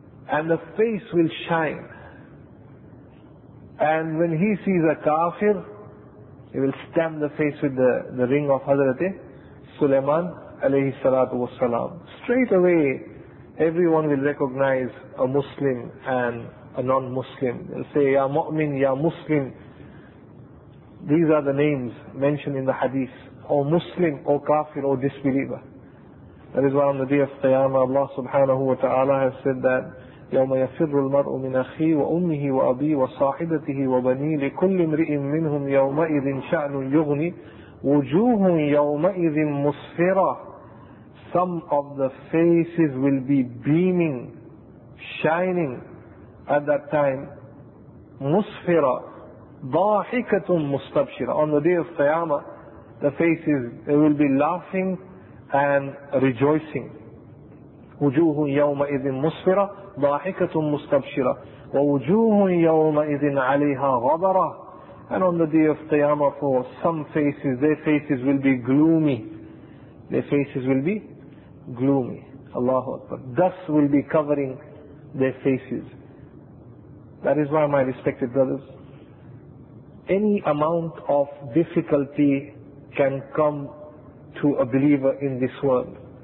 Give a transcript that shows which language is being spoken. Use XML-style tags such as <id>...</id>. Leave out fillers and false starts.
<en>And the face will shine. And when he sees a kafir, he will stamp the face with the ring of Hazrat Sulaiman alayhi salatu wasalam. Straight away, everyone will recognize a Muslim and a non-Muslim. They'll say, Ya Mu'min, Ya Muslim. These are the names mentioned in the hadith. O Muslim, O kafir, O disbeliever. That is why on the day of Qiyamah, Allah subhanahu wa ta'ala has said that,</en> <ar>يَوْمَ يَفِرُّ الْمَرْءُ مِنْ أَخِيهِ وَأُمِّهِ وَأَبِيهِ وَصَاحِبَتِهِ وَبَنِيهِ لِكُلِّ امْرِئٍ مِّنْهُمْ يَوْمَئِذٍ شَأْنٌ يُغْنِي وُجُوهٌ يَوْمَئِذٍ مُصْفِرَةٌ.</ar> <en>Some of the faces will be beaming, shining at that time.</en> <ar>مُصْفِرَةٌ ضَاحِكَةٌ مُسْتَبْشِرَةٌ.</ar> <en>On the day of Qiyamah, the faces, they will be laughing and rejoicing.</en> <ar>وُجُوهٌ يَوْمَئِذٍ مُصْفِرَةٌ ضاحكة مستبشرة ووجوه يومئذ عليها غبرة.</ar> <en>And on the day of Qiyamah, for some faces, their faces will be gloomy. Their faces will be gloomy. Allahu Akbar. Dust will be covering their faces. That is why, my respected brothers, any amount of difficulty can come to a believer in this world.</en>